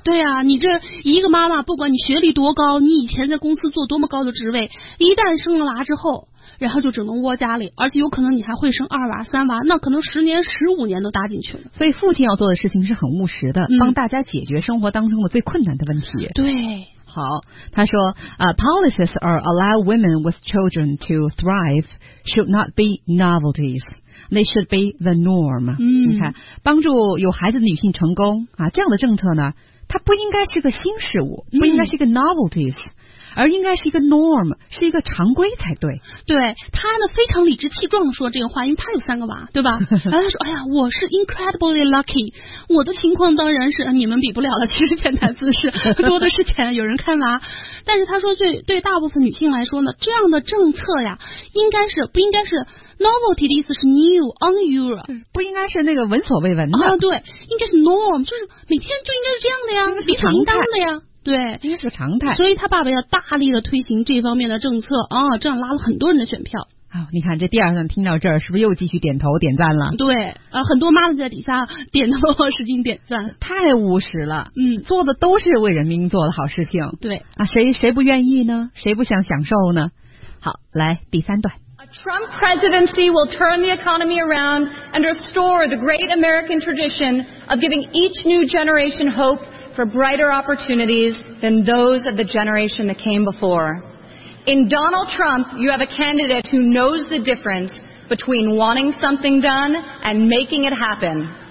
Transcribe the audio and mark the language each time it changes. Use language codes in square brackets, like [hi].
[zh] 对呀、啊，你这一个妈妈，不管你学历多高，你以前在公司做多么高的职位，一旦生了娃之后，然后就只能窝家里，而且有可能你还会生2娃3娃，那可能10年15年都搭进去了。所以父亲要做的事情是很务实的、嗯、帮大家解决生活当中的最困难的问题。对，好，他说 [en] policies are allow women with children to thrive should not be novelties, they should be the norm。嗯， [zh] 你看，帮助有孩子的女性成功啊，这样的政策呢，它不应该是个新事物，不应该是个 novelties、嗯，而应该是一个 norm，是一个常规才对。对，他呢非常理直气壮地说这个话，因为他有三个娃，对吧？然后他说，哎呀，我是 [en] incredibly lucky， [zh] 我的情况当然是你们比不了了，其实潜台词是多的是钱，有人看娃。但是他说对大部分女性来说呢，这样的政策呀应该是不应该是 novelty 的意思是 [en] new unusual， [zh] 不应该是那个闻所未闻的、啊、对，应该是 norm， 就是每天就应该是这样的呀，理所应当的呀，对，应该是个常态。所以他爸爸要大力的推行这方面的政策啊、哦，这样拉了很多人的选票。哦、你看这第二段听到这儿，是不是又继续点头点赞了？对，很多妈妈在底下点头和使劲点赞，太务实了。嗯，做的都是为人民做的好事情。对啊，谁不愿意呢？谁不想享受呢？好，来第三段。 [en] A Trump presidency will turn the economy around and restore the great American tradition of giving each new generation hope. For brighter opportunities than those of the generation that came before. In Donald Trump, you have a candidate who knows the difference between wanting something done and making it happen.